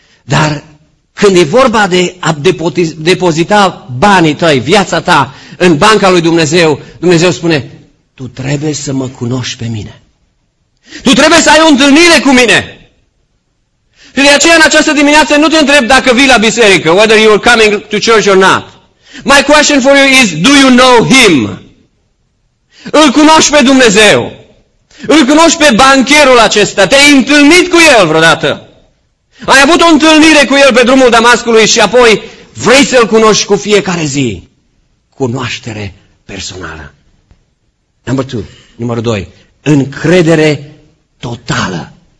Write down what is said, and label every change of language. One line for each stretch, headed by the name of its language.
Romanian: Dar când e vorba de a depozita banii tăi, viața ta, în banca lui Dumnezeu, Dumnezeu spune, tu trebuie să mă cunoști pe mine. Tu trebuie să ai o întâlnire cu mine. Și de aceea, în această dimineață, nu te întreb dacă vii la biserică,
English: whether you are coming to church or not. My question for you is, do you know him?
Romanian: Îl cunoști pe Dumnezeu. Îl cunoști pe bancherul acesta, te-ai întâlnit cu el vreodată. Ai avut o întâlnire cu el pe drumul Damascului și apoi vrei să-l cunoști cu fiecare zi. Cunoaștere personală. Numărul 2, încredere totală.